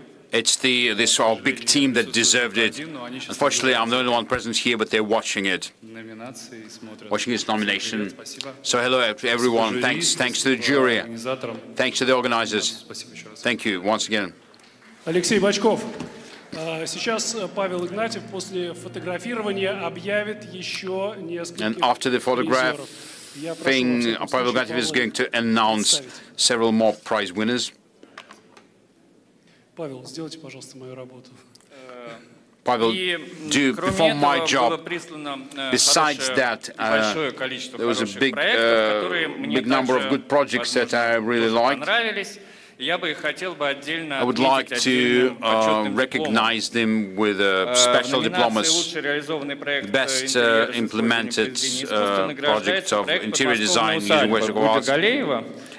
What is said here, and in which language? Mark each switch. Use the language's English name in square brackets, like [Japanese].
[English] It's this our big team that deserved it. Unfortunately, I'm the only one present here, but they're watching this nomination. So hello to everyone, thanks to the jury, thanks to the organizers. Thank you once again. [Russian] Алексей Бочков. Сейчас Павел Игнатьев после фотографирования объявит еще несколько. [English] And after the photographing, Павел Игнатьев is going to announce several more prize winners. [Russian] Павел, сделайте, пожалуйста, мою работу. [English] Павел, do perform my job. Besides that, there was a big, big number of good projects that I really liked. I would like to recognize them with a special diplomas, the best implemented project of interior design in the University of Arts.